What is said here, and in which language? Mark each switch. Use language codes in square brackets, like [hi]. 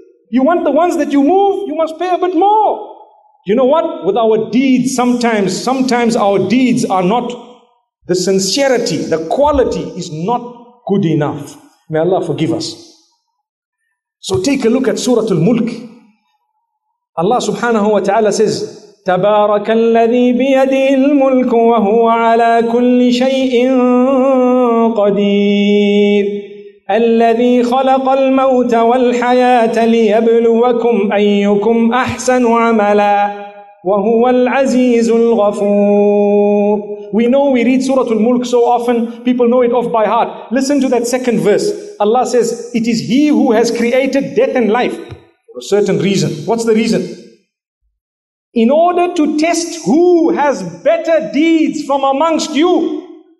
[en] You want the ones that you move, you must pay a bit more. You know what? With our deeds, sometimes our deeds are not, the sincerity, the quality is not good enough. May Allah forgive us. So take a look at Surah Al-Mulk. Allah subhanahu wa ta'ala says, [ar] تبارك الذي بيده الملك وهو على كل شيء قدير الذي خلق الموت والحياة ليبلوكم أيكم أحسن عملا وهو العزيز الغفور. [en] We know we read Surah Al-Mulk so often, people know it off by heart. Listen to that second verse. Allah says, it is He who has created death and life for a certain reason. What's the reason? In order to test who has better deeds from amongst you.